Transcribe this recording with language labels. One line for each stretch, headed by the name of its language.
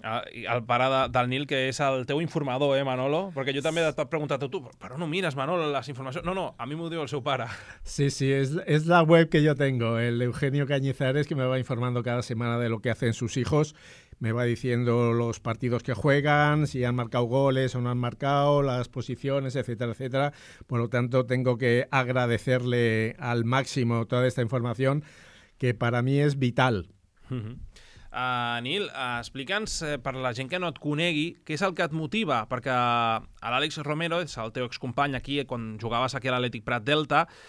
Catalan: I el pare del Nil, que és el teu informador, Manolo? Perquè jo també t'he preguntat, tu, però no mires, Manolo, les informacions? No, a mi m'ho diu el seu pare.
Spanish: Sí, sí,
Catalan: és la web que jo
Spanish: tengo, el Eugenio Cañizares, que me va informando cada setmana de lo que hacen sus hijos. Me va diciendo los partidos que juegan, si han marcado goles o no han marcado, las posiciones, etcétera, etcétera. Por lo tanto, tengo que agradecerle al máximo toda esta información, que para mí es vital.
Catalan: Nil, explica'ns, per la gent que no et conegui, què és el que et motiva? Perquè l'Àlex Romero és el teu excompany aquí, quan jugaves aquí a l'Atlètic Prat Delta.